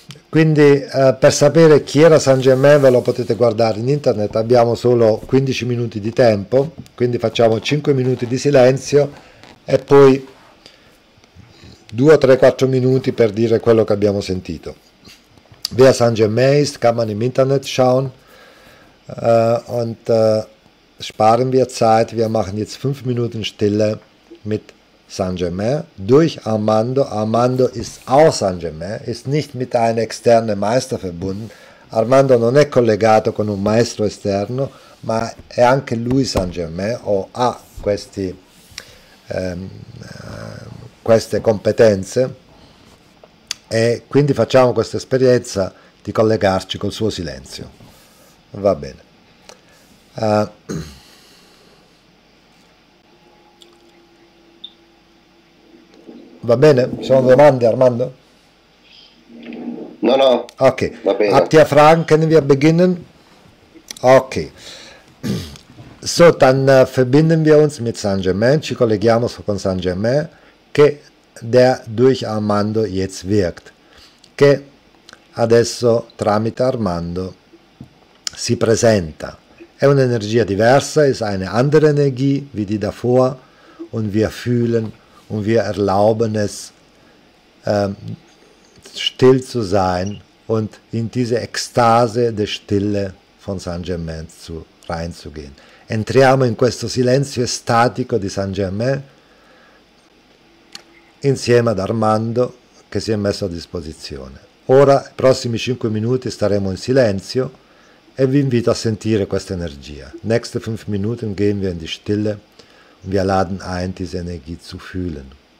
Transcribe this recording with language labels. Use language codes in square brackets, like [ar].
[it] Quindi per sapere chi era Saint-Germain ve lo potete guardare in internet, abbiamo solo 15 minuti di tempo, quindi facciamo 5 minuti di silenzio e poi 2, 3, 4 minuti per dire quello che abbiamo sentito. [de] Wer Saint-Germain ist, kann man im Internet schauen und sparen wir Zeit, wir machen jetzt 5 Minuten Stille mit Saint-Germain durch Armando. Armando ist auch Saint-Germain, ist nicht mit einem externen Meister verbunden. [it] Armando non è collegato con un maestro esterno, ma è anche lui Saint-Germain, o ha questi, queste competenze. E quindi facciamo questa esperienza di collegarci col suo silenzio. Va bene. Va bene? Ci sono domande, Armando? No, no. [de] Ok. Habt ihr Fragen? Können wir beginnen? Ok. So, dann verbinden wir uns mit Saint-Germain. [it] Ci colleghiamo con Saint-Germain, che [de] der durch Armando jetzt wirkt. [it] Che Adesso tramite Armando si presenta. È un'energia diversa, è [de] eine andere Energie, wie die davor, und wir fühlen, und wir erlauben es, still zu sein und in diese Ekstase der Stille von Saint-Germain reinzugehen. [it] Entriamo in questo silenzio estatico di Saint-Germain insieme ad Armando che si è messo a disposizione. Ora, i prossimi 5 minuti staremo in silenzio. E vi invito a sentire questa energia. [de] Nächste 5 Minuten gehen wir in die Stille und wir laden ein, diese Energie zu fühlen.